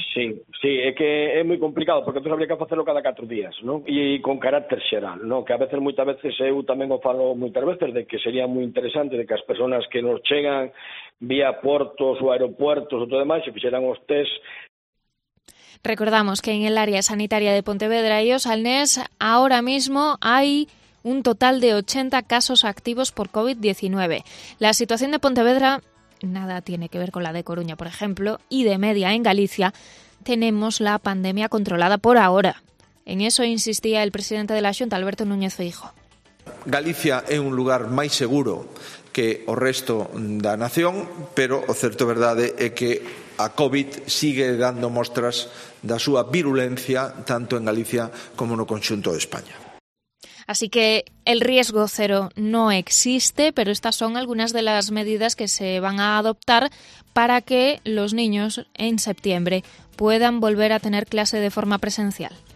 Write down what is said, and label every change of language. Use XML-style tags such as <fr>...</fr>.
<gl>Sí, é que é moi complicado, porque entón habría que facelo cada 4 días, non? E con carácter xeral, non? Que a veces, moitas veces, eu tamén o falo moitas veces, de que sería moi interesante de que as personas que nos chegan vía portos ou aeropuertos ou todo demais, se fixeran os test.</gl> <es>Recordamos que en el área sanitaria de Pontevedra y Osalnés ahora mismo hay un total de 80 casos activos por COVID-19. La situación de Pontevedra, nada tiene que ver con la de Coruña, por ejemplo, y de media en Galicia, tenemos la pandemia controlada por ahora. En eso insistía el presidente de la Xunta, Alberto Núñez Feijóo. Galicia es un lugar más seguro</es> <gl>que o resto da nación, pero o certo verdade é que a COVID sigue dando mostras da súa virulencia tanto en Galicia como no conxunto de España.</gl> <es>Así que el riesgo cero no existe, pero estas son algunas de las medidas que se van a adoptar para que los niños en septiembre puedan volver a tener clase de forma presencial.</es>